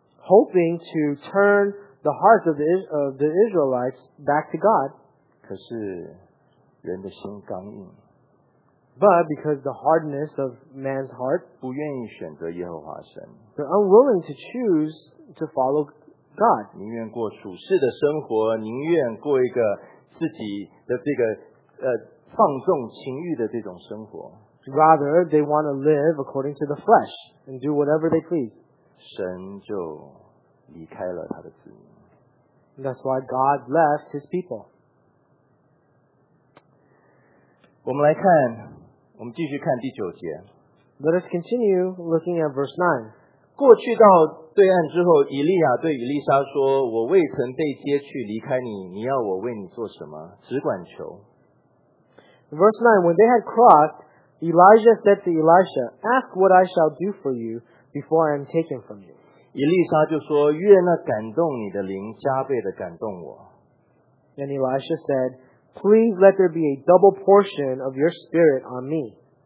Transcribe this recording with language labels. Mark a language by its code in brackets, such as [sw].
[en] hoping to turn the hearts of the Israelites back to God. [zh] 可是人的心刚硬, [en] but because the hardness of man's heart, [zh] 不愿意选择耶和华神, [en] they're unwilling to choose to follow God. [zh] 宁愿过属世的生活, 宁愿过一个自己的这个, 放纵情欲的这种生活, [en] rather, they want to live according to the flesh and do whatever they please. [zh] 神就离开了他的子民。 [en] That's why God left his people. [zh] 我们来看, 我们继续看第九节。 [en] Let us continue looking at verse 9. [zh] 过去到对岸之后, 以利亚对以利沙说, 我未曾被接去离开你, 你要我为你做什么? 只管求。 [en] Verse 9, when they had crossed, Elijah said to Elisha, ask what I shall do for you before I am taken from you. [zh] 以利沙就说, 愿那感动你的灵加倍地感动我。 [en] And Elisha said, please let there be a double portion of your spirit on me.